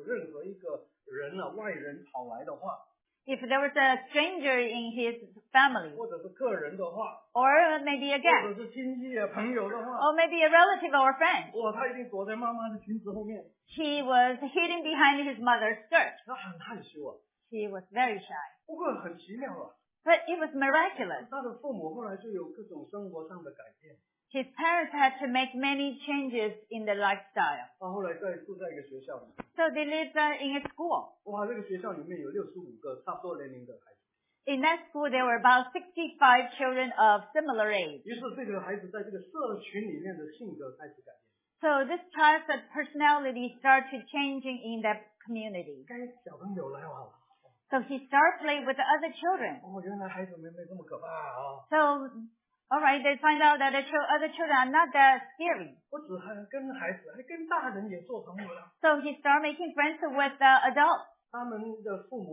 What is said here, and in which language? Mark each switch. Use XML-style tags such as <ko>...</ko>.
<zh>哇,他这个家庭假如有任何一个人,外人跑来的话,</zh> <en>if there was a stranger in his family,</en> <zh>或者是客人的话,</zh> <en>or maybe a guest,</en> <zh>或者是亲戚朋友的话,</zh> <en>or maybe a relative or a friend,</en> <zh>哇,他一定躲在妈妈的裙子后面,</zh> <en>he was hidden behind his mother's skirt.</en> <zh>他很害羞啊,</zh> <en>he was very shy.</en> <zh>不过很奇妙啊,</zh> <en>but it was miraculous.</en> <zh>他的父母后来就有各种生活上的改变。</zh> <en>His parents had to make many changes in their lifestyle.</en> <zh>他后来在住在一个学校里面。</zh> <en>So they lived in a school.</en> <zh>哇，这个学校里面有65个差不多年龄的孩子。</zh> <en>In that school, there were about 65 children of similar age.</en> <zh>于是这个孩子在这个社群里面的性格开始改变。</zh> <en>So this child's personality started changing in that community.</en> <zh>该小朋友来玩了。</zh> <en>So he started playing with the other children.</en> <zh>哦，原来孩子们没这么可怕啊。</zh> <en>So, all right, they find out that the other children are not that scary.</en> <zh>不只跟孩子，还跟大人也做朋友了。</zh> <en>So he started making friends with the adults.</en>